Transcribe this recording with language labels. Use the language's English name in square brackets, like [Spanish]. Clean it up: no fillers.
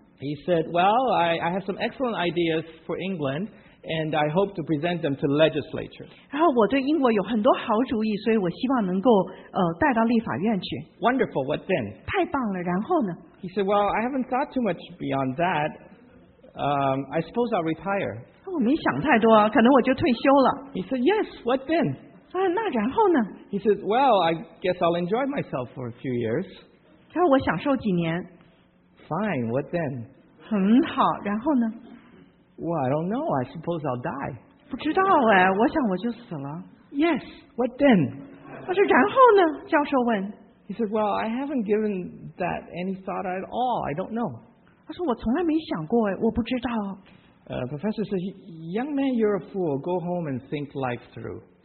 [English] He said, "Well, I have some excellent ideas for England, and I hope to present them to the legislature." [Chinese] 然后我对英国有很多好主意，所以我希望能够带到立法院去。 [English] Wonderful. What then? [Chinese] 太棒了，然后呢? [English] He said, "Well, I haven't thought too much beyond that. I suppose I'll retire." [Chinese] 我没想太多，可能我就退休了。 [English] He said, "Yes. What then?" [Chinese] 那然后呢? [English] He says, "Well, I guess I'll enjoy myself for a few years." [Chinese] 他说我享受几年。 [English] Fine, what then? [Chinese] 很好，然后呢? [English] Well, I don't know. I suppose I'll die. [Chinese] 不知道哎，我想我就死了。 [English] Yes, what then? [Chinese] 他说然后呢?教授问。 [English] He says, "Well, I haven't given that any thought at all. I don't know." [Chinese] 他说我从来没想过哎，我不知道。 [English] Professor says, "Young man, you're a fool. Go home and think life through."